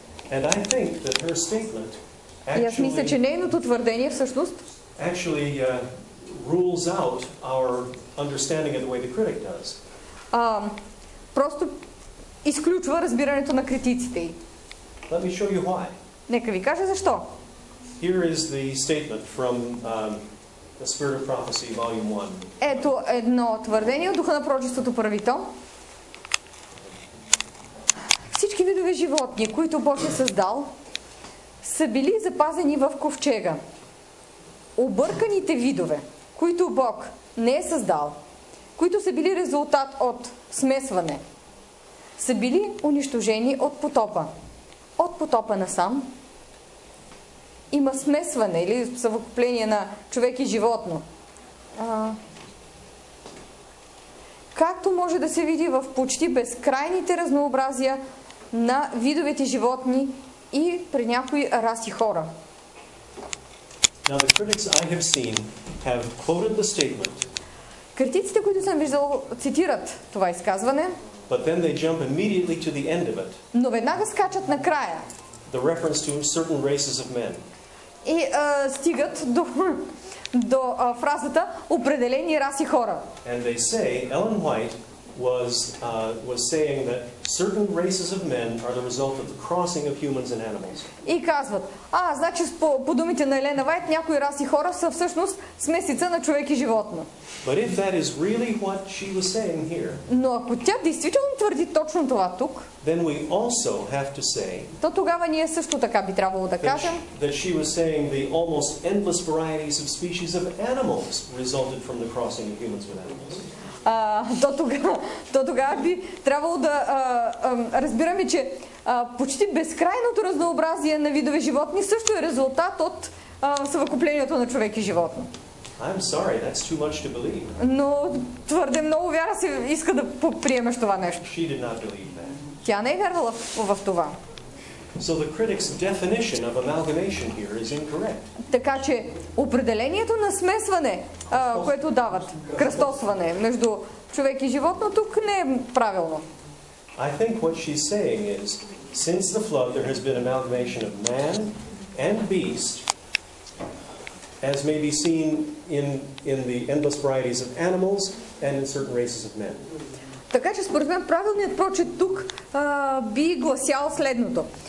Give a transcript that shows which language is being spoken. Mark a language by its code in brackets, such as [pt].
[en] And I think that her statement actually, [bg] и аз мисля, че нейното твърдение всъщност [en] actually, rules out our understanding of the way the critic does. [bg] Просто изключва разбирането на критиците. [en] Let me show you why. [bg] Нека ви кажа защо. [en] Here is the statement from The Spirit of Prophecy, Volume 1. [bg] Ето едно твърдение от Духа на пророчеството, първи том. Всички видове животни, които Бог е създал, са били запазени в ковчега. Обърканите видове, които Бог не е създал, които са били резултат от смесване, са били унищожени от потопа. От потопа насам има смесване или съвкупление на човек и животно. Както може да се види в почти безкрайните разнообразия на видовете животни и при някои раси хора. [en] Now, the critics I have seen have quoted the statement. [bg] Критиците, които съм виждал, цитират това изказване. [en] But then they jump immediately to the end of it. [bg] Но веднага скачат на края. [en] The reference to certain races of men. [bg] И стигат до фразата определени раси хора. [en] And they say Ellen White was saying that certain races of men are the result of the crossing of humans and animals. [bg] И казват: "А, значи по думите на Елена Вайт някои раси хора са всъщност смесица на човек и животно." [en] But if that is really what she was saying here. [bg] Но ако тя действително твърди точно това тук, [en] then we also have to say. [bg] То тогава ние също така би трябвало да кажем. [en] That she was saying the almost endless varieties of species of animals resulted from the crossing of humans with animals. [bg] То тогава би трябвало да разбираме, че почти безкрайното разнообразие на видове животни също е резултат от съвкуплението на човек и животно. [en] I'm sorry, that's too much to believe. [bg] Но твърде много вяра се иска да приемеш това нещо. [en] She did not believe that. [bg] Тя не е вярвала в това. [en] So the critic's definition of amalgamation here is incorrect. [bg] Така че определението на смесване, което дават, кръстосване между човек и животно, тук не е правилно. [en] I think what she's saying is, since the flood there has been amalgamation of man and beast, as may be seen in the endless varieties of animals and in certain races of men. [bg] Така че според мен правилният прочит тук би гласял следното.